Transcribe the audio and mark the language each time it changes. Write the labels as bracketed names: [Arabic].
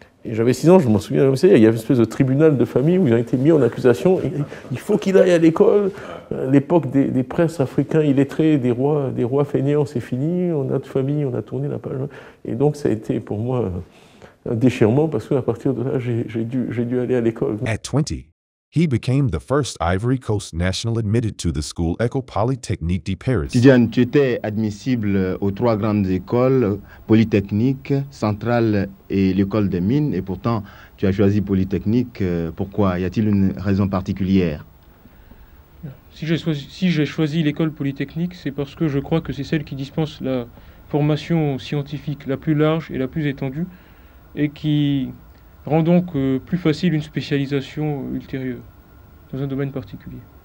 [French] Et j'avais 6 ans, je m'en souviens, comme ça, il y avait une espèce de tribunal de famille où ils ont été mis en accusation. Il faut qu'il aille à l'école. L'époque des princes africains illettrés, des rois fainéants, c'est fini. On a de famille, on a tourné la page. Et donc ça a été pour moi un déchirement, parce qu'à partir de là, j'ai dû aller à l'école. [English] At 20, he became the first Ivory Coast national admitted to the school École Polytechnique de Paris. [French] Tijan, tu étais admissible aux trois grandes écoles, Polytechnique, Centrale et l'École des Mines, et pourtant tu as choisi Polytechnique. Pourquoi? Y a-t-il une raison particulière? Si j'ai choisi l'École Polytechnique, c'est parce que je crois que c'est celle qui dispense la formation scientifique la plus large et la plus étendue, et qui rend donc plus facile une spécialisation ultérieure dans un domaine particulier.